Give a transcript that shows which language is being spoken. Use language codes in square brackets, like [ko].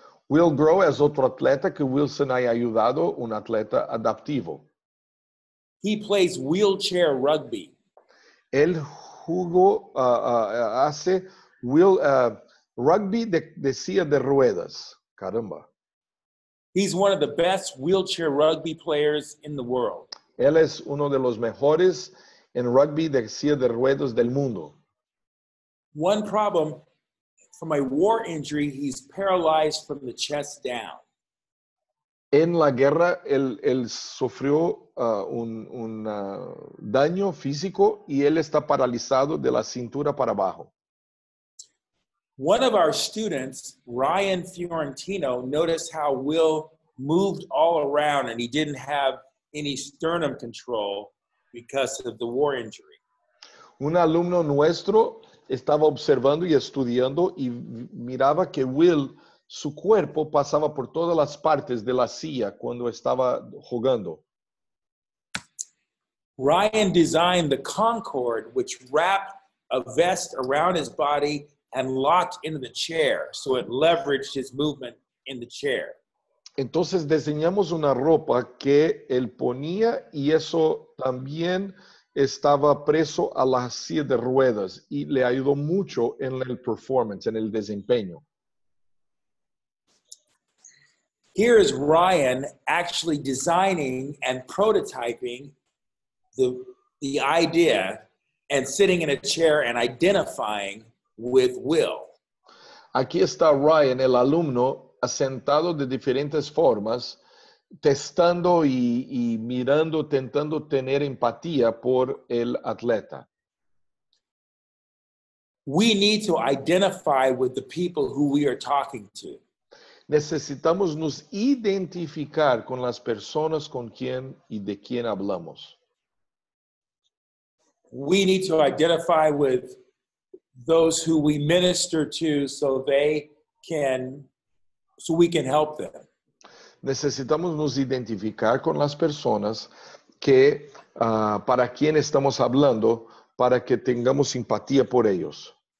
[es] Will Grow es otro atleta que Wilson ha ayudado, un atleta adaptivo. [en] He plays wheelchair rugby. [es] Él jugó, hace rugby de silla de ruedas. Caramba. [en] He's one of the best wheelchair rugby players in the world. [es] Él es uno de los mejores en rugby de silla de ruedas del mundo. [en] One problem, from a war injury, he's paralyzed from the chest down. [es] En la guerra, él sufrió un daño físico y él está paralizado de la cintura para abajo. [en] One of our students, Ryan Fiorentino, noticed how Will moved all around and he didn't have any sternum control because of the war injury. [es] Un alumno nuestro estaba observando y estudiando y miraba que Will, su cuerpo pasaba por todas las partes de la silla cuando estaba jugando. [en] Ryan designed the Concord, which wrapped a vest around his body and locked into the chair, so it leveraged his movement in the chair. [es] Entonces diseñamos una ropa que él ponía y eso también estaba preso a la silla de ruedas y le ayudó mucho en el performance, en el desempeño. [en] Here is Ryan actually designing and prototyping the idea and sitting in a chair and identifying with Will. [es] Aquí está Ryan, el alumno, asentado de diferentes formas, testando y mirando, tentando tener empatía por el atleta. [en] We need to identify with the people who we are talking to. [es] Necesitamos nos identificar con las personas con quien y de quien hablamos. [en] We need to identify with those who we minister to so we can help them. [es] Necesitamos nos identificar con las personas que para quien estamos hablando para que tengamos simpatía por ellos.